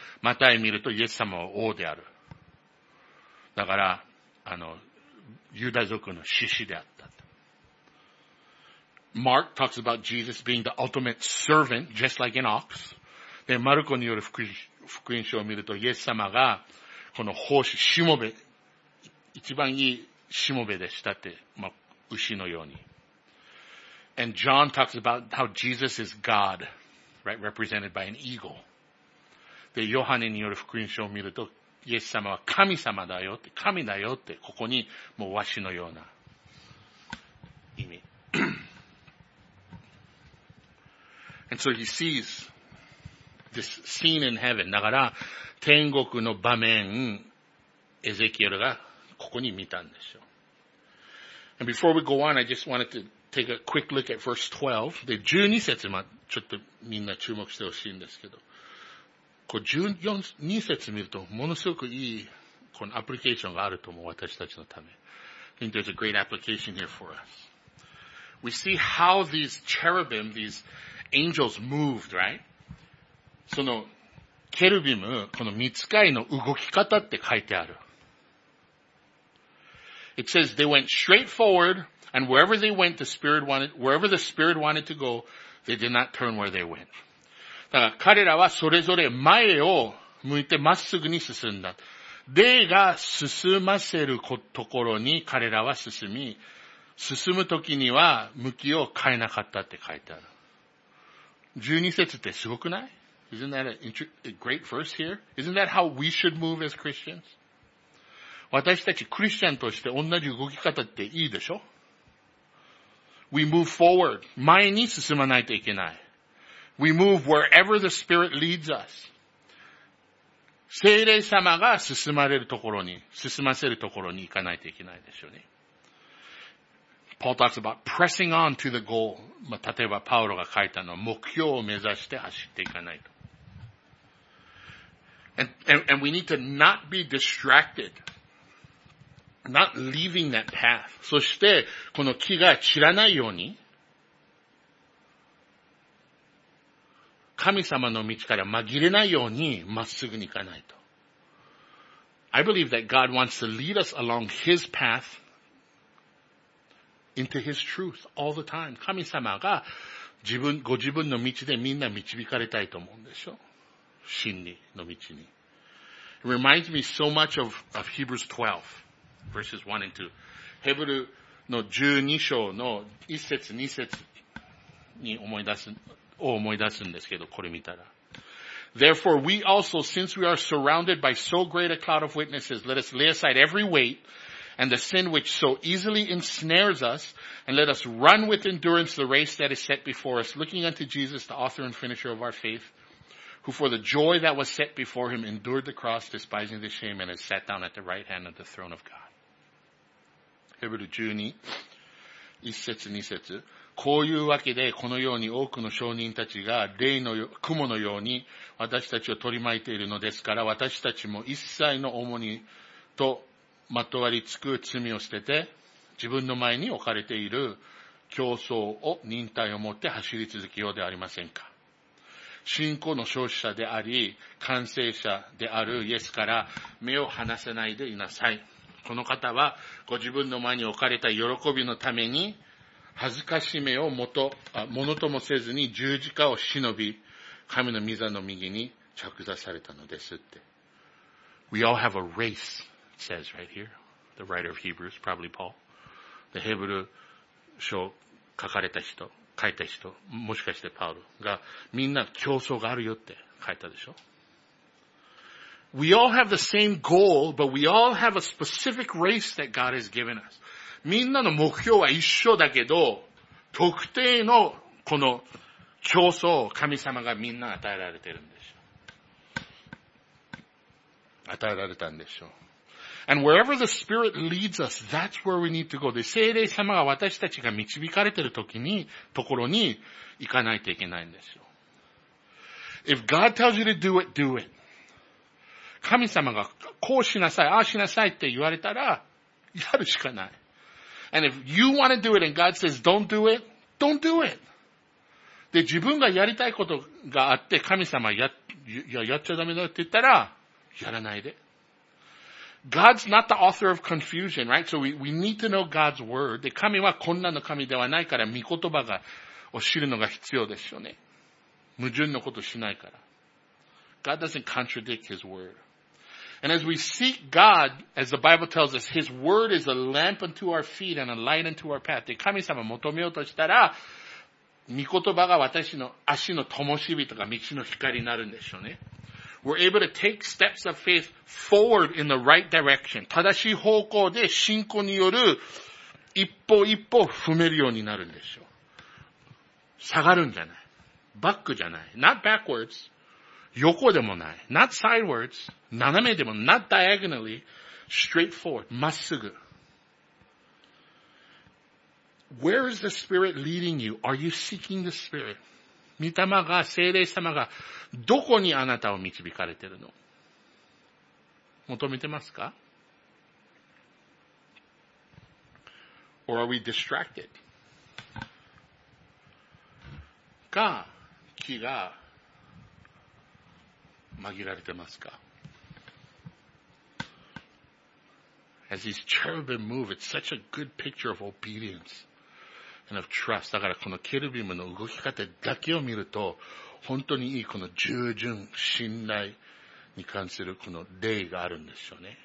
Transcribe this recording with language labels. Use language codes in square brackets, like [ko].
[ja] マタイ見ると、イエス様は王である。だから、あの、ユダ族の獅子であったと。 [en] Mark talks about Jesus being the ultimate servant, just like an ox. [ja] で、マルコによる福音書を見ると、イエス様が、この奉仕、しもべ、一番いいしもべでしたって、まあ、牛のように。 [en] And John talks about how Jesus is God, right, represented by an eagle. [ja] で、ヨハネによる福音書を見ると、イエス様は神様だよって、神だよって、ここにもうワシのような意味。 [en] And so he sees this scene in heaven. [ja] だから、天国の場面、エゼキエルがここに見たんでしょう。 [en] And before we go on, I just wanted to take a quick look at verse 12. [ja] で、12節までちょっとみんな注目してほしいんですけど。こう14、2節見るとものすごくいいこのアプリケーションがあると思う私たちのため。 [en] I think there's a great application here for us. We see how these cherubim, these angels moved, right? [ja] その、ケルビム、この御使いの動き方って書いてある。 [en] It says they went straight forward, and wherever they went, wherever the Spirit wanted to go, they did not turn where they went. [ja] だから彼らはそれぞれ前を向いてまっすぐに進んだ。霊が進ませるところに彼らは進み、進むときには向きを変えなかったって書いてある。 12節ってすごくない？ [en] Isn't that a great verse here? Isn't that how we should move as Christians? [ja] 私たちクリスチャンとして同じ動き方っていいでしょ ? [en] We move forward. [ja] 前に進まないといけない。 [en] We move wherever the Spirit leads us. [ja] 聖霊様が進まれるところに、進ませるところに行かないといけないですよね。 [en] Paul talks about pressing on to the goal.、 [ja] まあ、例えばパウロが書いたのは目標を目指して走っていかないと。 [en] And we need to not be distracted. Not leaving that path. [ja] そして、この木が散らないように、神様の道から紛れないように、まっすぐに行かないと。 [en] I believe that God wants to lead us along His path into His truth all the time. [ja] 神様が自分、ご自分の道でみんな導かれたいと思うんでしょ。真理の道に。 [en] It reminds me so much of Hebrews 12. Verses 1 and 2. [ja] ヘブルの12章の1節2節に思い出すんですけど、これ見たら。 [en] Therefore, we also, since we are surrounded by so great a cloud of witnesses, let us lay aside every weight and the sin which so easily ensnares us, and let us run with endurance the race that is set before us, looking unto Jesus, the author and finisher of our faith, who for the joy that was set before him endured the cross, despising the shame, and has sat down at the right hand of the throne of God. [ja] ヘブル12、1節2節。こういうわけで、このように多くの証人たちが、霊の雲のように私たちを取り巻いているのですから、私たちも一切の重荷とまとわりつく罪を捨てて、自分の前に置かれている競争を忍耐を持って走り続けようではありませんか。信仰の勝者であり、完成者であるイエスから目を離せないでいなさい。この方はご自分の前に置かれた喜びのために恥ずかしめをもと、ものともせずに十字架を忍び神の御座の右に着座されたのですって。 [en] We all have a race, it says right here. The writer of Hebrews, probably Paul. [ja] The ヘブル書書かれた人、書いた人、もしかしてパウルがみんな競争があるよって書いたでしょ。 [en] We all have the same goal, but we all have a specific race that God has given us. [ja] みんなの目標は一緒だけど、特定のこの競争を神様がみんな与えられてるんでしょう。与えられたんでしょう。 [en] And wherever the Spirit leads us, that's where we need to go. [ja] で、聖霊様が私たちが導かれてる時に、ところに行かないといけないんですよ。 [en] If God tells you to do it, do it. [ja] 神様がこうしなさい、ああしなさいって言われたら、やるしかない。 [en] And if you want to do it and God says don't do it, don't do it. [ja] で、自分がやりたいことがあって神様やっちゃダメだって言ったら、やらないで。 [en] God's not the author of confusion, right? So we need to know God's word. [ja] で、神は困難の神ではないから、御言葉を知るのが必要ですよね。矛盾のことしないから。 [en] God doesn't contradict his word. And as we seek God, as the Bible tells us, His Word is a lamp unto our feet and a light unto our path. [ja] 神様求めようとしたら、御言葉が私の足の灯火とか道の光になるんでしょうね。 [en] We're able to take steps of faith forward in the right direction. [ja] 正しい方向で信仰による一歩一歩踏めるようになるんでしょう。下がるんじゃない。バックじゃない。 [en] Not backwards. [ja] 横でもない。 [en] Not sidewards. [ja] 斜めでも、 [en] not diagonally. Straightforward. [ja] まっすぐ。 [en] Where is the Spirit leading you? Are you seeking the Spirit? [ja] 御霊が、聖霊様が、どこにあなたを導かれているの？求めてますか？ [en] Or are we distracted? [ja] か、気が紛られてますか？ [en] As these cherubim move, it's such a good picture of obedience. And of trust. [ja] だからこのケルビムの動き方だけを見ると、本当にいいこの従順、信頼に関するこの例があるんですよね。